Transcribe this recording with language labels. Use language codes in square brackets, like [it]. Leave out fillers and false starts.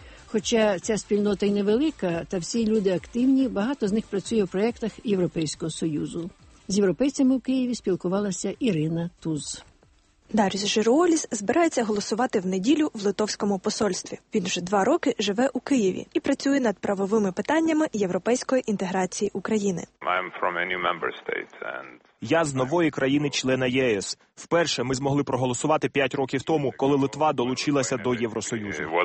[uk] Хоча ця спільнота й невелика, та всі люди активні, багато з них працює в проєктах Європейського Союзу. З європейцями в Києві спілкувалася Ірина Туз. Даріс Жироліс збирається голосувати в неділю в литовському посольстві. Він вже 2 роки живе у Києві і працює над правовими питаннями європейської інтеграції України. [en] I'm from a new member state and... [uk] Я з нової країни-члена ЄС. Вперше ми змогли проголосувати 5 років тому, коли Литва долучилася до Євросоюзу.